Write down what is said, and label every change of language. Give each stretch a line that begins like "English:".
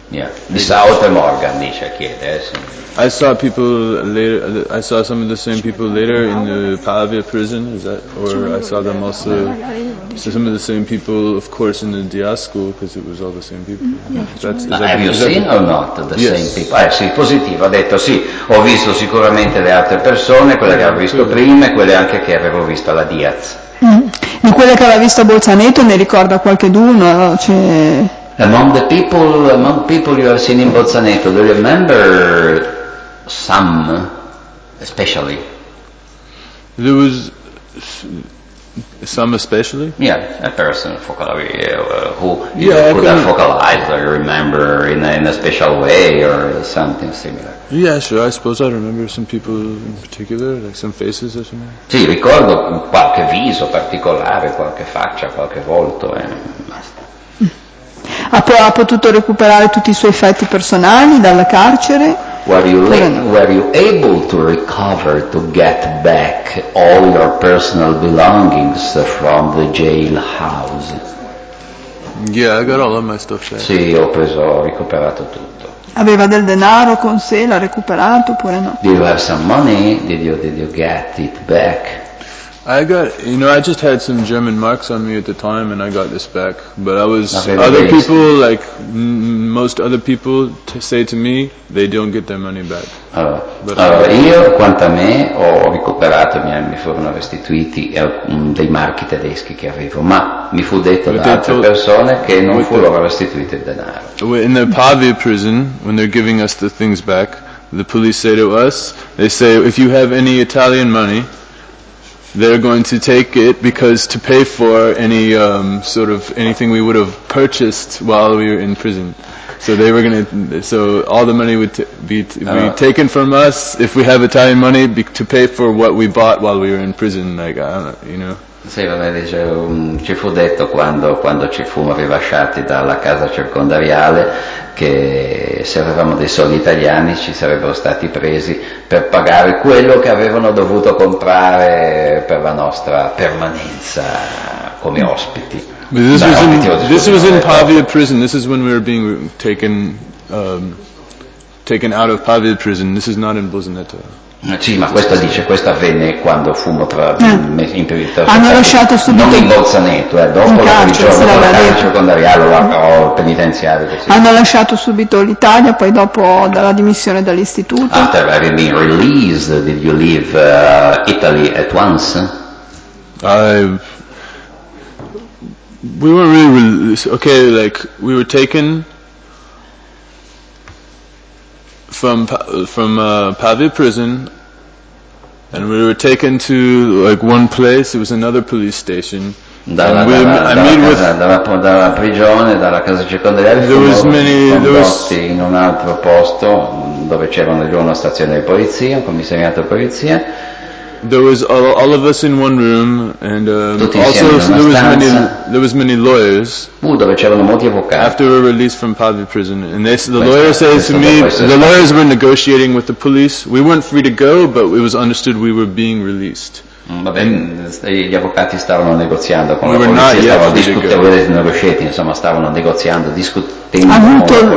English: Yeah. Besides Morgan,
Italian: dice, chiede.
English: I saw people later, I saw some of the same people later in the Pavia prison, is that, or I saw them also, so some of the same people, of course, in the Dia school, because it was all the same people. Have you seen or not the same people?
Italian: Ah, sì, positivo, ha detto sì, ho visto sicuramente le altre persone, quelle che avevo visto prima e quelle anche che avevo visto alla Diaz. Di quelle che aveva visto a Bolzaneto ne ricorda qualcheduno? Cioè...
English: Among people you have seen in Bolzaneto, do you remember some especially? There was some especially? Yeah, a person who could have focalized or remember in a special way or something similar. Yeah, sure, I suppose I remember some people in particular, like some faces or something.
Italian: Sì, ricordo qualche viso particolare, qualche faccia, qualche volto e basta. Ha potuto recuperare tutti i suoi effetti personali dalla carcere?
English: Were you able to recover, to get back all your personal belongings from the jailhouse? Yeah, I got all of my stuff there.
Italian: Sì, ho preso, ho recuperato tutto. Aveva del denaro con sé, l'ha recuperato oppure no?
English: Did you have some money? Did you get it back? I got, you know, I just had some German marks on me at the time and I got this back. But I was, other people, like most other people say to me, they don't get their money back.
Italian: Io, quanto a me, ho recuperato, mi furono restituiti dei marchi tedeschi che avevo, ma mi fu detto da altre persone che non furono restituiti il denaro.
English: In the Pavia prison, when they're giving us the things back, the police say to us, they say, if you have any Italian money, they're going to take it because to pay for any sort of anything we would have purchased while we were in prison. So they were going to, so all the money would be taken from us if we have Italian money to pay for what we bought while we were in prison, like, you know.
Italian: Sì, vabbè, dice, ci fu detto quando ci fumo rilasciati dalla casa circondariale che se avevamo dei soldi italiani ci sarebbero stati presi per pagare quello che avevano dovuto comprare per la nostra permanenza come ospiti.
English: This was in Pavia prison. This is when we were being taken taken out of Pavia prison. This is not in Bosnetto.
Italian: Sì, ma questo dice, questo avvenne quando fumo tra in periodo. Hanno lasciato subito. Non in Bolzaneto, dopo la circondaria o penitenziario. Hanno lasciato subito l'Italia, poi dopo dalla dimissione dall'istituto.
English: After having been released, did you leave Italy at once? We weren't really released. Okay, like we were taken from Pavia prison, and we were taken to like one place. It was another police station.
Italian: Dalla prigione, dalla casa circondariale.
English: There was
Italian: in un altro posto dove c'erano già una stazione di polizia, un commissariato di polizia.
English: There was all of us in one room, and also there was many lawyers.
Italian: Dove c'erano molti avvocati.
English: After we were released from Pavia prison, and the lawyers were negotiating with the police. We weren't free to go, but it was understood we were being released.
Italian: Gli avvocati stavano negoziando con la polizia, stavano negoziando, discutendo.